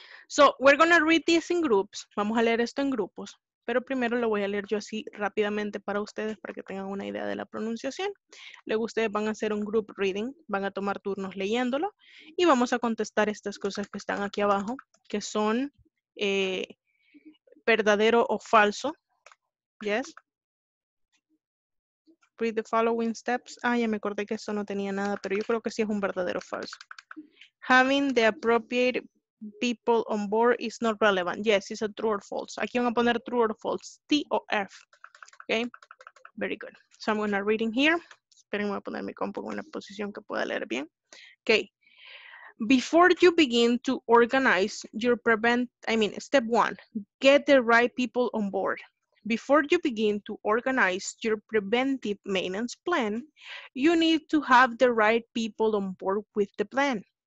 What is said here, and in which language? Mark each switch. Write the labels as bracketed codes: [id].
[en] So, we're going to read this in groups. [es] Vamos a leer esto en grupos. Pero primero lo voy a leer yo así rápidamente para ustedes para que tengan una idea de la pronunciación. Luego ustedes van a hacer un group reading. Van a tomar turnos leyéndolo. Y vamos a contestar estas cosas que están aquí abajo, que son verdadero o falso. Yes. [en] Read the following steps. [es] Ah, ya me acordé que esto no tenía nada, pero yo creo que sí es un verdadero o falso. [en] Having the appropriate people on board is not relevant. Yes, it's a true or false. [es] Aquí van a poner [en] true or false. T o F. Okay. Very good. So I'm going to read in here. [es] Esperen, voy a poner mi compu en una posición que pueda leer bien. [en] Okay. Before you begin to organize your step one, get the right people on board. Before you begin to organize your preventive maintenance plan, you need to have the right people on board with the plan.